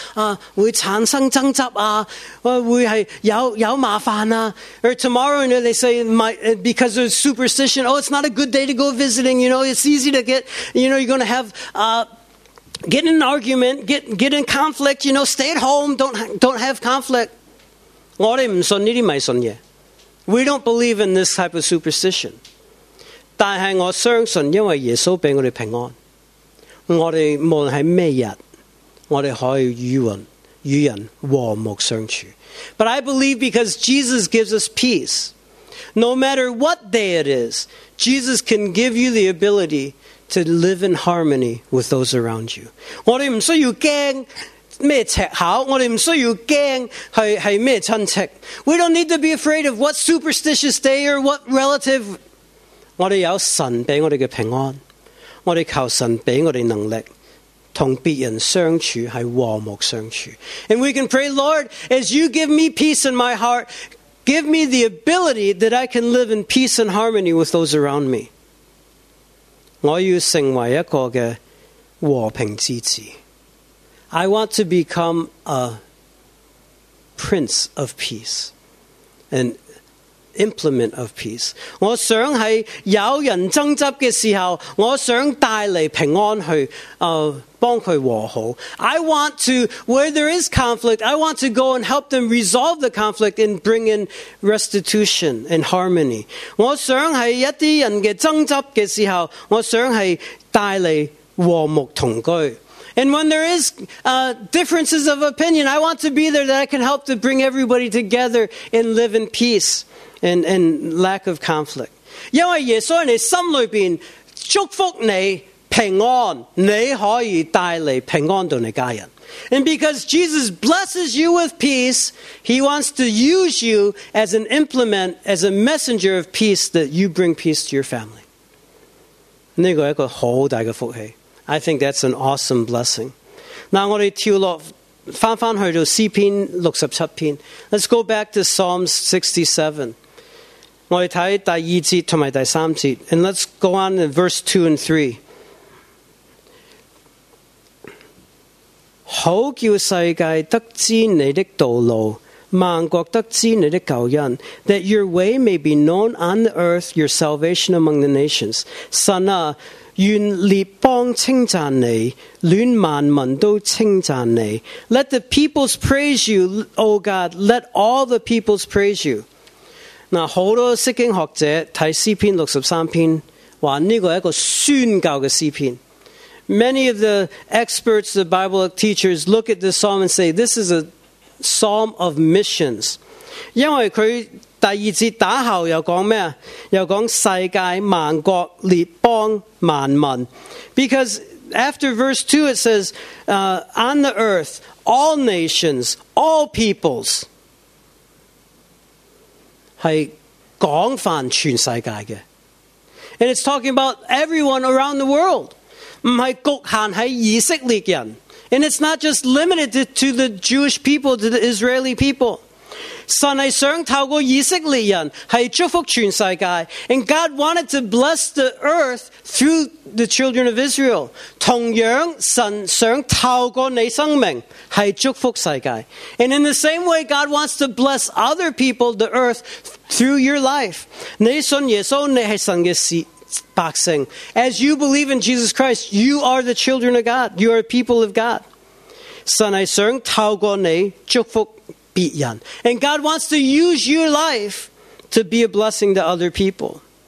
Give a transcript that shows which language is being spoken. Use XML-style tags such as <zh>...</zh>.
<yue>啊，会产生争执啊，会系有麻烦啊。</yue> <en>Or tomorrow, you know, they say because of superstition. Oh, it's not a good day to go visiting. You know, it's easy to get. You know, you're going to have get in an argument, get in conflict. You know, stay at home. Don't have conflict.</en> <yue>我哋唔信呢啲迷信嘢。</yue> <en>We don't believe in this type of superstition.</en> <yue>但系我相信，因为耶稣俾我哋平安。我哋无论系咩日，我哋可以与人和睦相处。</yue> <en>But I believe because Jesus gives us peace, no matter what day it is, Jesus can give you the ability to live in harmony with those around you.</en> <yue>我哋唔需要惊咩赤口，我哋唔需要惊系咩亲戚。</yue> <en>We don't need to be afraid of what superstitious day or what relative.</en> <yue>我哋有神俾我哋嘅平安。我哋求神俾我哋能力，同别人相处系和睦相处。</yue> <en>And we can pray, Lord, as you give me peace in my heart, Give me the ability that I can live in peace and harmony with those around me.</en> <yue>我要成为一个嘅和平之子。</yue> <en>I want to become a prince of peace, an implement of peace.</en> <yue>我想喺有人争执嘅时候，我想带嚟平安去，帮佢和好。</yue> <en>I want to, where there is conflict, I want to go and help them resolve the conflict and bring in restitution and harmony.</en> <yue>我想喺一啲人嘅争执嘅时候，我想系带嚟和睦同居。</yue> <en>And when there is differences of opinion, I want to be there that I can help to bring everybody together and live in peace and lack of conflict.</en> <yue>因为耶稣在你心里边祝福你平安，你可以带来平安到你家人。</yue> <en>And because Jesus blesses you with peace, he wants to use you as an implement, as a messenger of peace that you bring peace to your family.</en> <yue>这个是一个很大的福气。</yue> <en>I think that's an awesome blessing.</en> <yue>Now, 我们跳落翻翻去到诗篇六十七篇。</yue> <en>Let's go back to Psalms 67.</en> <yue>我们看第二节同埋第三节。</yue> <en>And let's go on to verse 2 and 3.</en> <yue>好叫世界得知你的道路，万国得知你的救恩，</yue> <en>that your way may be known on the earth, your salvation among the nations.</en> <yue>神啊，愿列邦称赞你，愿万民都称赞你。</yue> <en>Let the peoples praise you, O God. Let all the peoples praise you.</en> <yue>那好多释经学者睇诗篇六十三篇，话呢个一个宣教嘅诗篇。</yue> <en>Many of the experts, the Bible teachers, look at this psalm and say this is a psalm of missions.</en> <yue>因为佢第二节打后又讲咩？又讲世界万国列邦万民。</yue> <en>Because after verse 2 it says, on the earth, all nations, all peoples.</en> <yue>是广泛全世界的。</yue> <en>And it's talking about everyone around the world.</en> <yue>不是局限在以色列人。</yue> <en>And it's not just limited to the Jewish people, to the Israeli people.</en> <yue>神是想透过以色列人是祝福全世界，</yue> <en>and God wanted to bless the earth through the children of Israel.</en> <yue>同样神想透过你生命是祝福世界，</yue> <en>and in the same way God wants to bless other people, the earth, through your life.</en> <yue>你信耶稣，你是神的百姓。</yue> <en>As you believe in Jesus Christ, you are the children of God, you are people of God.</en> <yue>神是想透过你祝福别人。</yue> <en>And God wants to use your life to be a blessing to other people.</en>